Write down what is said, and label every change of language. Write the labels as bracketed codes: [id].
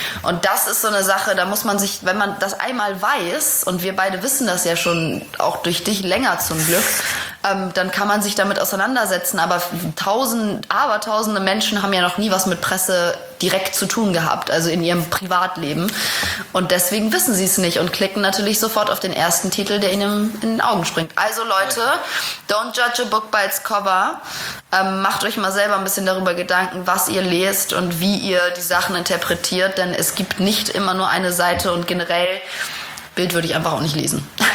[de] Und das ist so eine Sache, da muss man sich, wenn man das einmal weiß, und wir beide wissen das ja schon auch durch dich länger zum Glück, dann kann man sich damit auseinandersetzen, aber tausende Menschen haben ja noch nie was mit Presse direkt zu tun gehabt, also in ihrem Privatleben. Und deswegen wissen sie es nicht und klicken natürlich sofort auf den ersten Titel, der ihnen in den Augen springt. Also Leute, [en] don't judge a book by its cover. [de] Macht euch mal selber ein bisschen darüber Gedanken, was ihr lest und wie ihr die Sachen interpretiert, denn es gibt nicht immer nur eine Seite und generell Bild würde ich einfach auch nicht lesen.